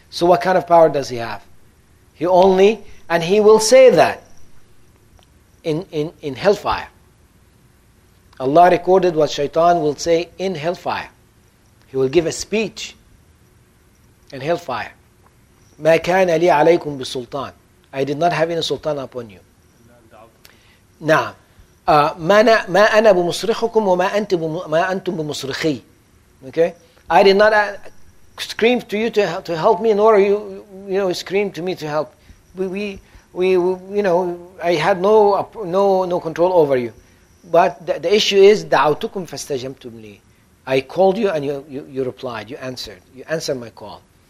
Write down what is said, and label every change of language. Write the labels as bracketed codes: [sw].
[en] So what kind of power does he have? He only, and he will say that in hellfire. Allah recorded what shaitan will say in hellfire. He will give a speech in hellfire. [ar] مَا كَانَ لِي عَلَيْكُمْ بِسُلْطَانِ. [en] I did not have any sultan upon you. [ar] Now, مَا أَنَا بُمُصْرِخُكُمْ وَمَا أَنْتُمْ بُمُصْرِخِي. [en] Okay? I did not scream to you to help me, nor you scream to me to help. I had no control over you. But the issue is, [ar] دَعَوْتُكُمْ فَاسْتَجَمْتُمْ لِي. [en] I called you and you replied, you answered. You answered my call.